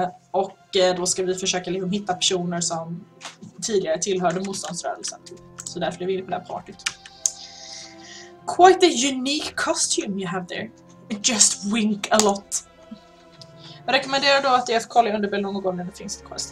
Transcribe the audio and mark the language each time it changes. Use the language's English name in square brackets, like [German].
[Swedish] Och då ska vi försöka liksom hitta personer som tidigare tillhörde motståndsrörelsen. Så därför är vi på det här partiet. [English] Quite a unique costume you have there. Just wink a lot. [Swedish] Jag rekommenderar då att jag får kolla under någon gång när det finns ett quest.